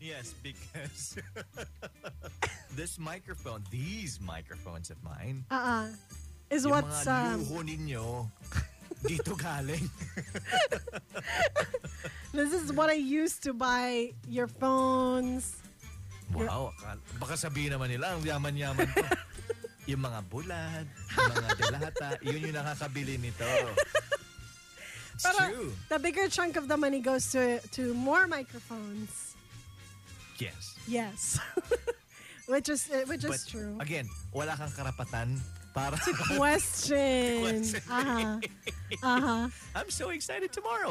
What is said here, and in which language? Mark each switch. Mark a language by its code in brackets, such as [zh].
[en] Yes, because this microphone, these microphones of mine, is what's... [tl] Yung mga luho ninyo... Dito galing. [en] This is what I used to buy your phones. [tl] Wow. Baka sabihin naman nila, ang yaman-yaman to. Yung mga bulad, yung mga dilata, yun yung nakakabili nito. [en] It's [tl] pero [en] true. The bigger chunk of the money goes to more microphones. Yes. Yes. which is true. [tl] Again, wala kang karapatan. Para [en] to question. Uh-huh. I'm so excited tomorrow.